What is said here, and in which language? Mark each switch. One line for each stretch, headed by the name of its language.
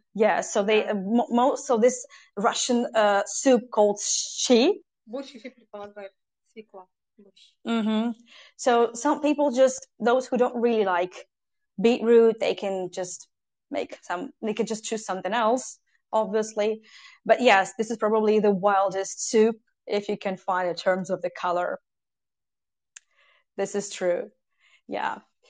English: Yeah, so they so this Russian soup called shchi.
Russian: Борщ еще предполагает свекла.
English: So some people just, those who don't really like beetroot, they can just make some, they can just choose something else, obviously. But yes, this is probably the wildest soup if you can find in terms of the color. This is true. Yeah.